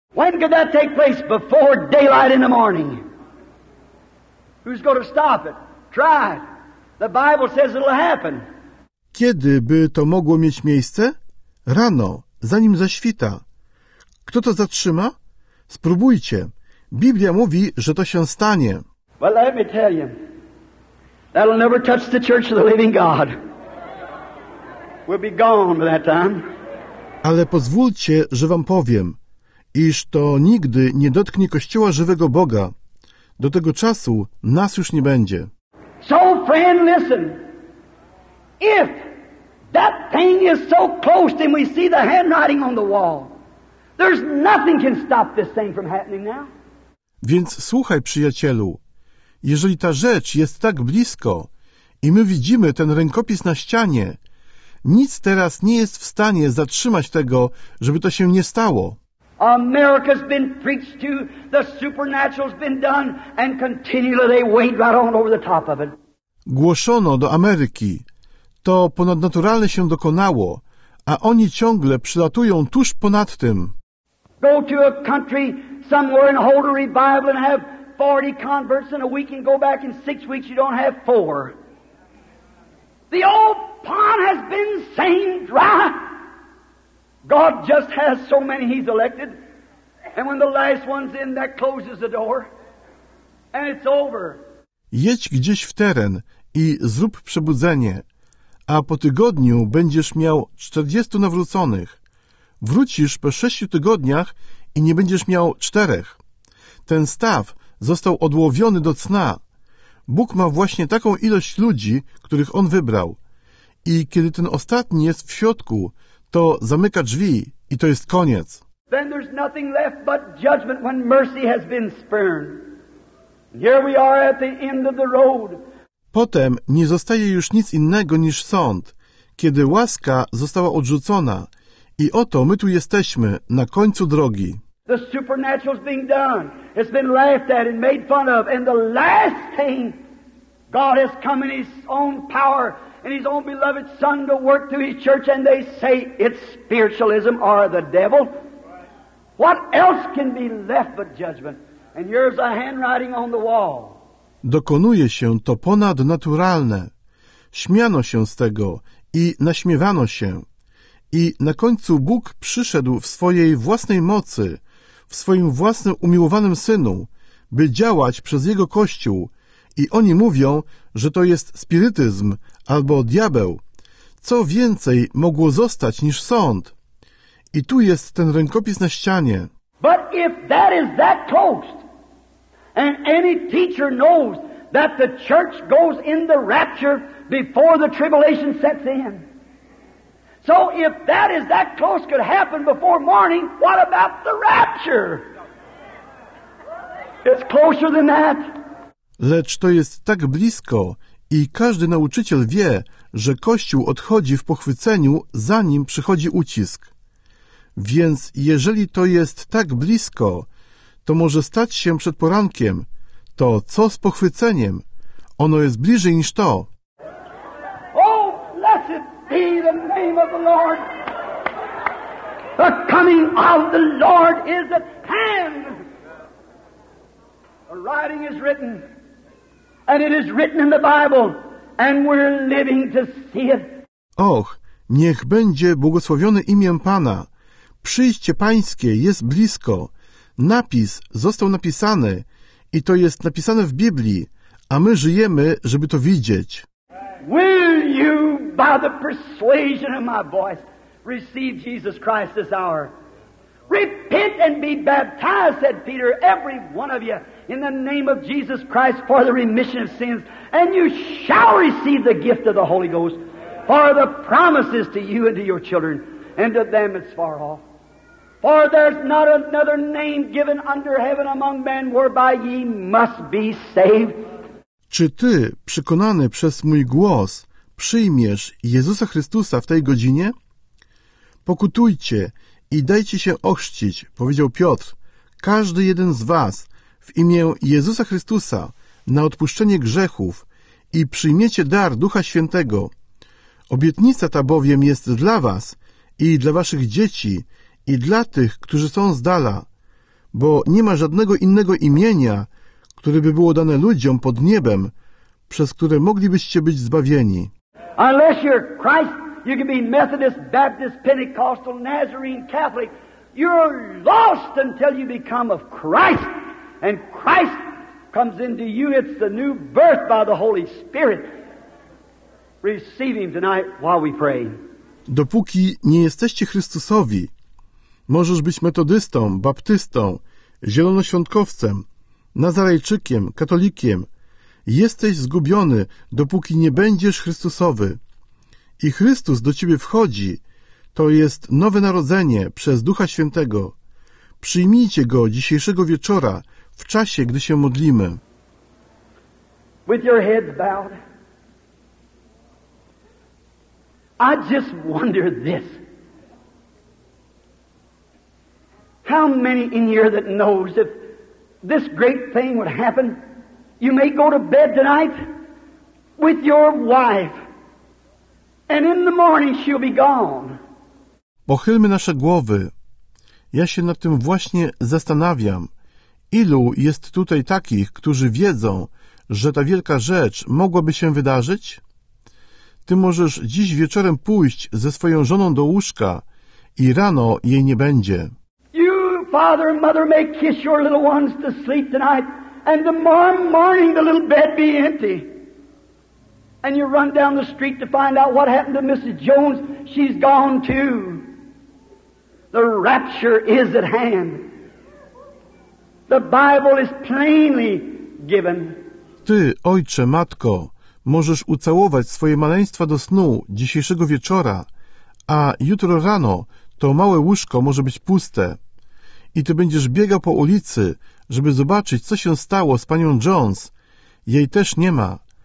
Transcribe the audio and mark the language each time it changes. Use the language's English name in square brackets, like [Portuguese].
[English] When could that take place? Before daylight in the morning. Who's going to stop it? Try. The Bible says it'll happen. [Polish] Kiedy by to mogło mieć miejsce? Rano, zanim zaświta. Kto to zatrzyma? Spróbujcie. Biblia mówi, że to się stanie. [English] But let me tell you, that'll never touch the church of the living God. We'll be gone by that time. [Polish] Ale pozwólcie, że wam powiem, iż to nigdy nie dotknie Kościoła żywego Boga. Do tego czasu nas już nie będzie. [English] So, friend, listen. If that thing is so close and we see the handwriting on the wall, there's nothing can stop this thing from happening now. [Polish] Więc słuchaj, przyjacielu, jeżeli ta rzecz jest tak blisko i my widzimy ten rękopis na ścianie, nic teraz nie jest w stanie zatrzymać tego, żeby to się nie stało. [English] America's been preached to, the supernatural's been done, and continually they wade right on over the top of it. [Polish] Głoszono do Ameryki. To ponadnaturalne się dokonało, a oni ciągle przylatują tuż ponad tym. [English] Go to a country somewhere and hold a revival and have 40 converts in a week and go back in 6 weeks you don't have four. The old pond has been sane dry. God just has so many he's elected. And when the last one's in, that closes the door. And it's over. [Polish] Jedź gdzieś w teren i zrób przebudzenie. A po tygodniu będziesz miał 40 nawróconych. Wrócisz po 6 tygodniach i nie będziesz miał 4. Ten staw został odłowiony do cna. Bóg ma właśnie taką ilość ludzi, których on wybrał. I kiedy ten ostatni jest w środku, to zamyka drzwi i to jest koniec. [English] Then there's nothing left but judgment when mercy has been spurned. Here we are at the end of the road. [Polish] Potem nie zostaje już nic innego niż sąd, kiedy łaska została odrzucona i oto my tu jesteśmy, na końcu drogi. [English] The supernatural's being done. It's been laughed at and made fun of. And the last thing, God has come in his own power and his own beloved son to work through his church, and they say it's spiritualism or the devil. What else can be left but judgment? And here's a handwriting on the wall. [Polish] Dokonuje się to ponadnaturalne. Śmiano się z tego i naśmiewano się. I na końcu Bóg przyszedł w swojej własnej mocy, w swoim własnym umiłowanym Synu, by działać przez Jego Kościół. I oni mówią, że to jest spirytyzm albo diabeł. Co więcej mogło zostać niż sąd? I tu jest ten rękopis na ścianie. [English] But if that is that close, and any teacher knows that the church goes in the rapture before the tribulation sets in. So if that is that close could happen before morning, what about the rapture? It's closer than that. [Polish] Lecz to jest tak blisko i każdy nauczyciel wie, że Kościół odchodzi w pochwyceniu, zanim przychodzi ucisk. Więc jeżeli to jest tak blisko, to może stać się przed porankiem, to co z pochwyceniem? Ono jest bliżej niż to. [English] Oh, blessed be the name of the Lord. The coming of the Lord is at hand. A writing is written. And it is written in the Bible, and we're living to see it. [Polish] Och, niech będzie błogosławione imię Pana. Przyjście Pańskie jest blisko. Napis został napisany i to jest napisane w Biblii, a my żyjemy, żeby to widzieć. [English] Will you, by the persuasion of my voice, receive Jesus Christ this hour? Repent and be baptized, said Peter, every one of you, in the name of Jesus Christ for the remission of sins, and you shall receive the gift of the Holy Ghost, for the promises to you and to your children, and to them that's far off. For there's not another name given under heaven among men whereby ye must be saved. [Polish] Czy ty, przekonany przez mój głos, przyjmiesz Jezusa Chrystusa w tej godzinie? Pokutujcie i dajcie się ochrzcić, powiedział Piotr, każdy jeden z was, w imię Jezusa Chrystusa, na odpuszczenie grzechów i przyjmiecie dar Ducha Świętego. Obietnica ta bowiem jest dla was i dla waszych dzieci i dla tych, którzy są z dala, bo nie ma żadnego innego imienia, które by było dane ludziom pod niebem, przez które moglibyście być zbawieni. [English] Unless you're Christ, you can be Methodist, Baptist, Pentecostal, Nazarene, Catholic. You're lost until you become of Christ. And Christ comes into you. It's the new birth by the Holy Spirit. Receive him tonight while we pray. [Polish] Dopóki nie jesteście Chrystusowi, możesz być metodystą, baptystą, zielonoświątkowcem, nazarejczykiem, katolikiem. Jesteś zgubiony, dopóki nie będziesz Chrystusowy. I Chrystus do ciebie wchodzi. To jest nowe narodzenie przez Ducha Świętego. Przyjmijcie go dzisiejszego wieczora, w czasie, gdy się modlimy. [English] With your heads bowed, I just wonder this. How many in here that knows if this great thing would happen, you may go to bed tonight with your wife, and in the morning she'll be gone. [Polish] Pochylmy nasze głowy. Ja się nad tym właśnie zastanawiam. Ilu jest tutaj takich, którzy wiedzą, że ta wielka rzecz mogłaby się wydarzyć? Ty możesz dziś wieczorem pójść ze swoją żoną do łóżka i rano jej nie będzie. [English] You, father and mother, may kiss your little ones to sleep tonight, and tomorrow morning the little bed be empty. And you run down the street to find out what happened to Mrs. Jones. She's gone too. The rapture is at hand. The Bible is plainly given. [Polish] Ty, ojcze, matko, możesz ucałować swoje maleństwa do snu dzisiejszego wieczora, a jutro rano to małe łóżko może być puste. I ty będziesz biegał po ulicy, żeby zobaczyć, co się stało z panią Jones. Jej też nie ma.